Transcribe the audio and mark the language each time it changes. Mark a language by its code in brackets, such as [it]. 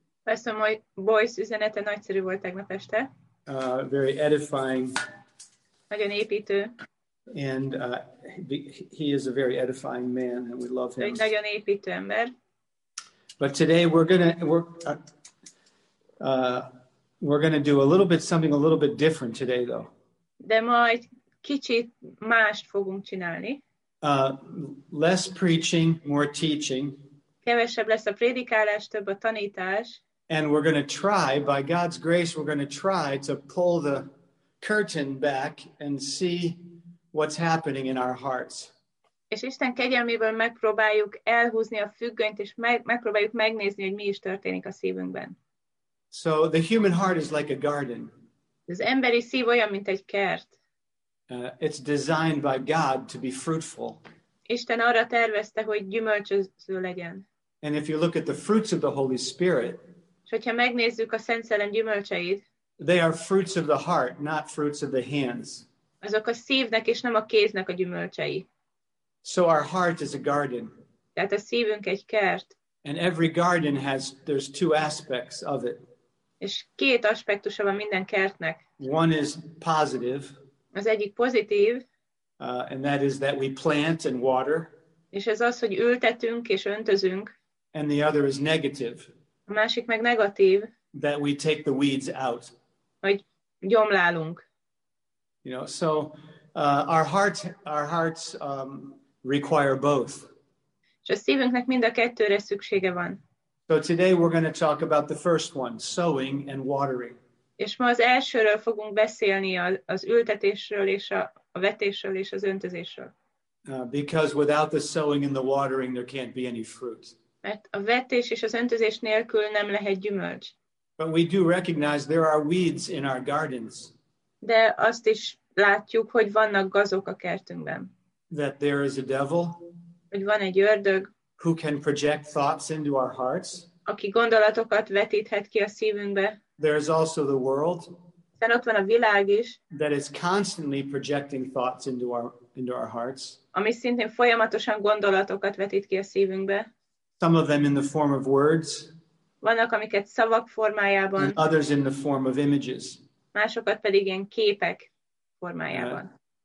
[hu] Pastor Boyce üzenete nagyszerű volt tegnap este. [en] Very edifying. [hu] Nagyon építő. [en] And he is a very edifying man, and we love him. [hu] Nagyon építő ember. [en] But today we're gonna do a little bit something a little bit different today, though. [hu] De majd kicsit mást fogunk csinálni. [en] Less preaching, more teaching. [hu] Kevesebb lesz a prédikálás, több a tanítás. [en] And we're going to try, by God's grace, we're going to try to pull the curtain back and see what's happening in our hearts. [hu] És Isten kegyelméből megpróbáljuk elhúzni a függönyt, és megpróbáljuk megnézni, hogy mi is történik a szívünkben. [en] So the human heart is like a garden. [hu] Az emberi szív olyan, mint egy kert. [en] It's designed by God to be fruitful. [hu] Isten arra tervezte, hogy gyümölcsöző legyen. [en] And if you look at the fruits of the Holy Spirit, [hu] és hogyha megnézzük a Szent Szellem gyümölcseit, [en] they are fruits of the heart, not fruits of the hands. [hu] Azok a szívnek és nem a kéznek a gyümölcsei. [en] So our heart is a garden. [hu] Tehát a szívünk egy kert. [en] And every garden there's two aspects of it. [hu] És két aspektusa van minden kertnek. [en] One is positive. [hu] Az egyik pozitív. [en] And that is that we plant and water. [hu] És ez az, hogy ültetünk és öntözünk. [en] And the other is negative. [hu] A másik meg negatív. [en] That we take the weeds out. [hu] Hogy gyomlálunk. [en] You know, so our hearts require both. [hu] És a szívünknek mind a kettőre szüksége van. [en] So today we're going to talk about the first one, sowing and watering. [hu] És ma az elsőről fogunk beszélni, az ültetésről és a vetésről és az öntözésről. [en] Because without the sowing and the watering there can't be any fruit. [hu] Mert a vetés és az öntözés nélkül nem lehet gyümölcs. [en] But we do recognize there are weeds in our gardens. [hu] De azt is látjuk, hogy vannak gazok a kertünkben. [en] That there is a devil. [hu] Hogy van egy ördög. [en] Who can project thoughts into our hearts. [hu] Aki gondolatokat vetíthet ki a szívünkbe. [en] There is also the world. [hu] Szóval ott van a világ is. [en] That is constantly projecting thoughts into our hearts. [hu] Ami szintén folyamatosan gondolatokat vetít ki a szívünkbe. [en] Some of them in the form of words. [hu] Vannak, amiket szavak formájában. [en] And others in the form of images. [hu] Másokat pedig ilyen képek formájában.